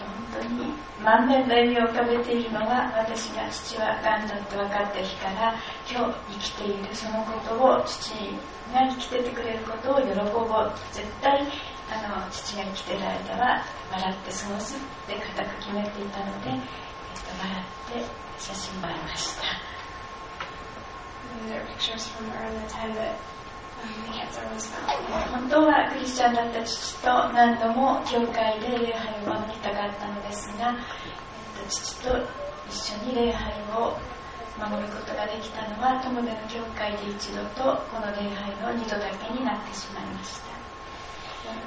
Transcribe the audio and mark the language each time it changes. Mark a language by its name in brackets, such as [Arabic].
[Japanese] 本当に満面の笑みを浮かべているのは、私が父はガンだって分かった日から今日生きている、そのことを、父が生きててくれることを喜ぼう、絶対父が生きてる間は笑って過ごすって固く決めていたので、笑って写真を撮りました。 [English] These are pictures from around the time that the cancer was found. [Japanese] 本当はクリスチャンだった父と何度も教会で礼拝を守りたかったのですが、父と一緒に礼拝を守ることができたのは、友での教会で一度と、この礼拝の二度だけになってしまいました。